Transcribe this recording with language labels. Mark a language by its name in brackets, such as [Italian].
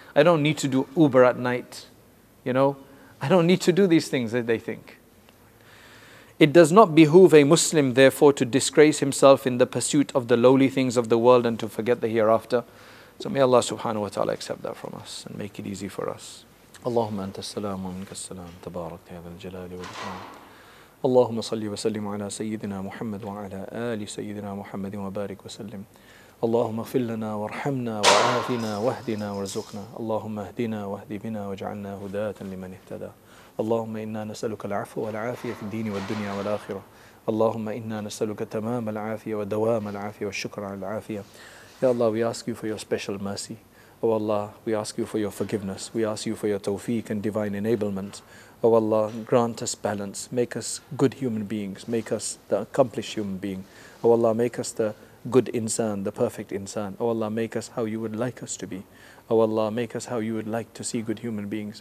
[English] I don't need to do Uber at night, you know. I don't need to do these things, that they think. It does not behoove a Muslim, therefore, to disgrace himself in the pursuit of the lowly things of the world and to forget the hereafter. So may Allah subhanahu wa ta'ala accept that from us and make it easy for us. [Arabic] اللهم أنت السلام ومنك السلام تبارك يا ذا الجلال والإكرام اللهم صل وسلم على سيدنا محمد وعلى آل سيدنا محمد وبارك وسلم اللهم اغفر لنا وارحمنا وعافنا واهدنا وارزقنا اللهم اهدنا واهد بنا واجعلنا هداة لمن اهتدى اللهم إنا نسألك العفو والعافية في الدين والدنيا والآخرة اللهم إنا نسألك تمام العافية ودوام العافية والشكر على العافية يا الله [English] we ask you for your special mercy. O Allah, we ask you for your forgiveness. We ask you for your tawfiq and divine enablement. O Allah, grant us balance. Make us good human beings. Make us the accomplished human being. O Allah, make us the good insan, the perfect insan. O Allah, make us how you would like us to be. O Allah, make us how you would like to see good human beings.